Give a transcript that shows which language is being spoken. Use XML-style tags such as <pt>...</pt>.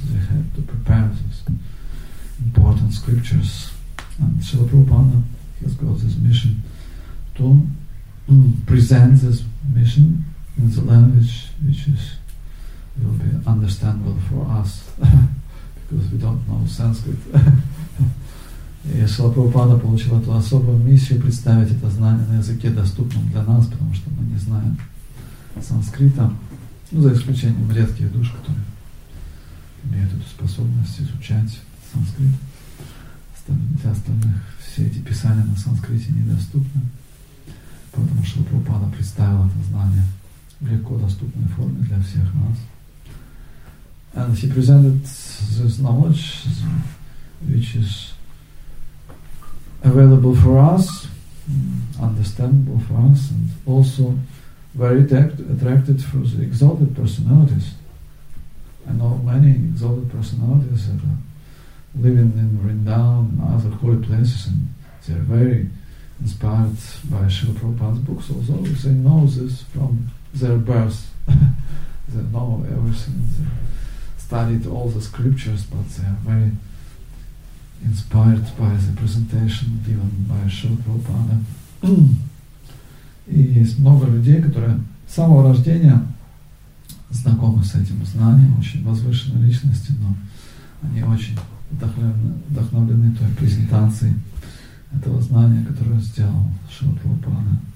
<en>They had to prepare these important scriptures, and Srila Prabhupada has got this mission to present this mission in the language which is will be understandable for us. because we don't know Sanskrit.</en> <ru>И Шрила Прабхупада получил эту особую миссию представить это знание на языке, доступном для нас, потому что мы не знаем санскрита, ну, за исключением редких душ, которые имеют эту способность изучать санскрит. Для остальных все эти писания на санскрите недоступны, поэтому Шрила Прабхупада представил это знание в легко доступной форме для всех нас.</ru> <en>And he presented this knowledge, which is available for us, understandable for us, and also very attracted for the exalted personalities. I know many exalted personalities that are living in Vrindavan and other holy places, and they are very inspired by Srila Prabhupada's books, although they know this from their birth. They know everything, they studied all the scriptures, but they are very inspired by the presentation given by Шрила Прабхупада.</en> <ru>И есть много людей, которые с самого рождения знакомы с этим знанием, очень возвышенной личности, но они очень вдохновлены той презентацией этого знания, которое сделал Шрила Прабхупада.</ru>